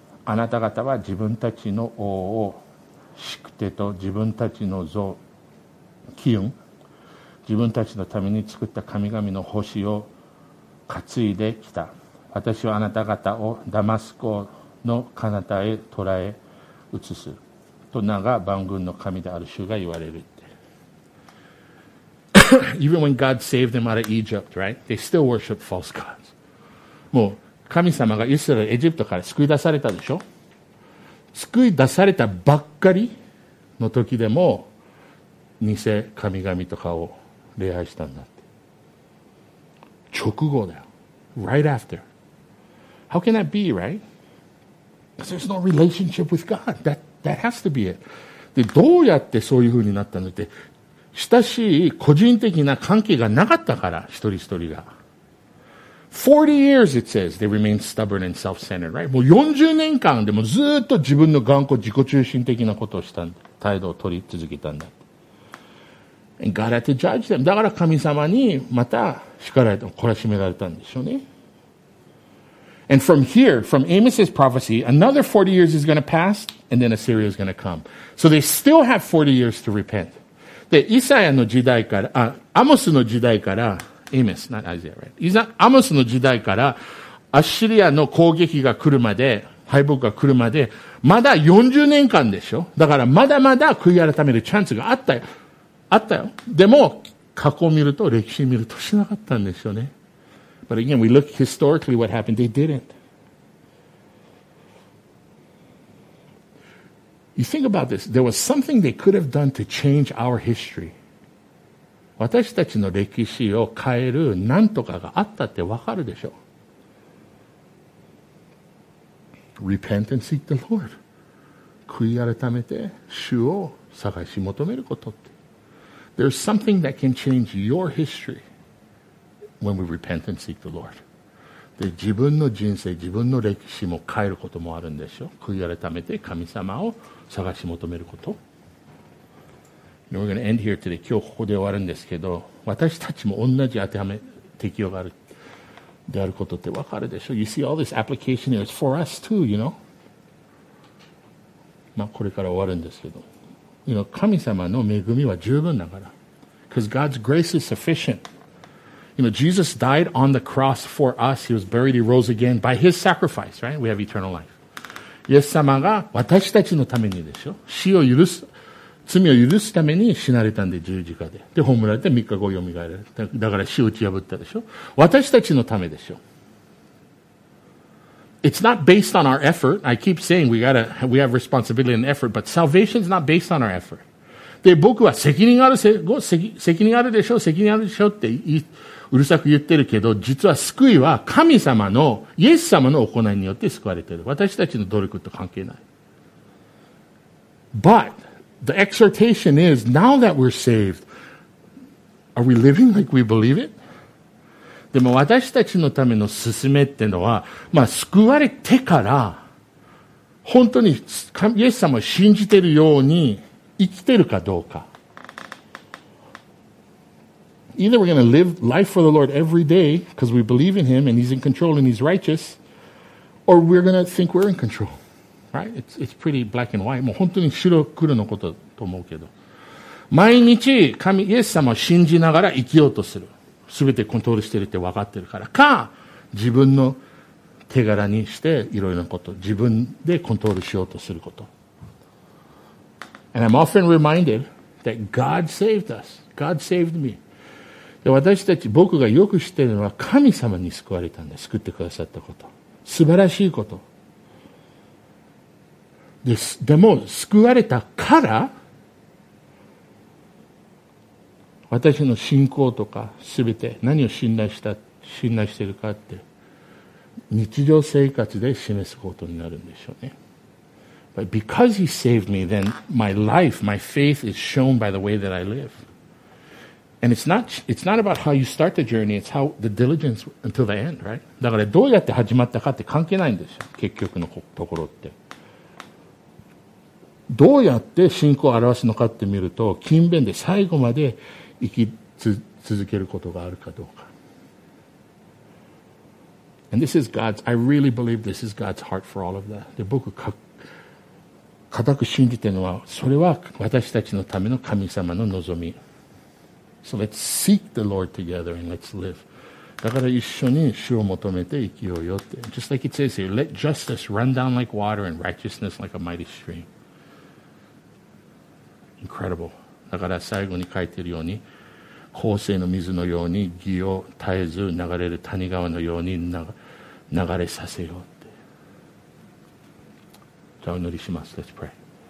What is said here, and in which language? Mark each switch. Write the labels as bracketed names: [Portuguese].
[Japanese] あなた方は自分たちの王を宿手と自分たちの像キウン、自分たちのために作った神々の星を担いできた。私はあなた方をダマスコの彼方へ捕らえ移すと名が万軍の神である主が言われるって。 [English] Even when God saved them out of Egypt, right? They still worship false gods. [Japanese] もう神様がイスラエル、エジプトから救い出されたでしょ。救い出されたばっかりの時でも偽神々とかを礼拝したんだ。直後だよ。 [English] Right after. How can that be, right? Because there's no relationship with God. That has to be it. [Japanese] で、どうやってそういう風になったのって、親しい個人的な関係がなかったから、一人一人が。 [English] 40 years, it says, they remained stubborn and self-centered, right? [Japanese] もう40年間でもずっと自分の頑固自己中心的なことをしたんだ。態度を取り続けたんだ。 [English] And God had to judge them. [Japanese] だから神様にまた叱られた、懲らしめられたんでしょうね。 [English] And from here, from Amos's prophecy, another 40 years is going to pass, and then Assyria is going to come. So they still have 40 years to repent. [Japanese] で、イサヤの時代から、アモスの時代から、 [English] Amos, not Isaiah, right? [Japanese] アモスの時代から、アッシリアの攻撃が来るまで、敗北が来るまで、まだ40年間でしょ。だからまだまだ悔い改めるチャンスがあったよ。あったよ。でも過去を見ると歴史を見るとしなかったんですよね。 [English] But again, we look historically what happened. They didn't. You think about this. There was something they could have done to change our history. [Japanese] 私たちの歴史を変える何とかがあったってわかるでしょう。 [English] Repent and seek the Lord. [Japanese] 悔い改めて主を探し求めることって。 [English] There's something that can change your history when we repent and seek the Lord. [Japanese] で、自分の人生、自分の歴史も変えることもあるんでしょ。悔い改めて神様を探し求めること。 [English] And we're going to end here today. [Japanese] 今日ここで終わるんですけど、私たちも同じ当てはめ、適用があるであることってわかるでしょ。 [English] You see all this application here. It's for us too, you know. [Japanese] まあ、これから終わるんですけど。 [English] You know, [Japanese] 神様の恵みは十分だから。 [English] Because God's grace is sufficient. You know, Jesus died on the cross for us. He was buried, he rose again. By his sacrifice, right? We have eternal life. [Japanese] イエス様が私たちのためにでしょ。死を許す、罪を許すために死なれたんで、十字架で。で、葬られて3日後蘇られた。だから死を打ち破ったでしょ。私たちのためでしょ。 [English] It's not based on our effort. I keep saying we have responsibility and effort, but salvation is not based on our effort. [Japanese] で、僕は責任ある、責任あるでしょ、責任あるでしょってうるさく言ってるけど、実は救いは神様の、イエス様の行いによって救われてる。私たちの努力と関係ない。 [English] But the exhortation is, now that we're saved, are we living like we believe it? [Japanese] でも私たちのための進めっていうのは、まあ救われてから、本当にイエス様を信じているように生きてるかどうか。 [English] Either we're going to live life for the Lord every day because we believe in Him and He's in control and He's righteous, or we're going to think we're in control. Right? It's pretty black and white. [Japanese] もう本当に白黒のことと思うけど。毎日神、イエス様を信じながら生きようとする。すべてコントロールしてるって分かってるから。か、自分の手柄にしていろいろなこと、自分でコントロールしようとすること。 [English] And I'm often reminded that God saved us. God saved me. [Japanese] 私たち、僕がよく知っているのは神様に救われたんだ。救ってくださったこと。素晴らしいこと。でも、救われたから、私の信仰とか全て、何を信頼しているかって、日常生活で示すことになるんでしょうね。 [English] But because He saved me, then my life, my faith is shown by the way that I live. And it's not about how you start the journey, it's how the diligence until the end, right? [Japanese] だからどうやって始まったかって関係ないんですよ、結局のところって。どうやって信仰を表すのかって見ると、勤勉で最後まで生き続けることがあるかどうか。 [English] And this is God's, I really believe this is God's heart for all of that. [Japanese] で、僕、固く信じてるのは、それは私たちのための神様の望み。 [English] So let's seek the Lord together and let's live. [Japanese] だから一緒に主を求めて生きようよって。 [English] Just like it says here, let justice run down like water and righteousness like a mighty stream. Incredible. [Japanese] だから最後に書いてるように、洪水の水のように義を絶えず流れる谷川のように流れさせようって。じゃあお祈りします。 [English] Let's pray.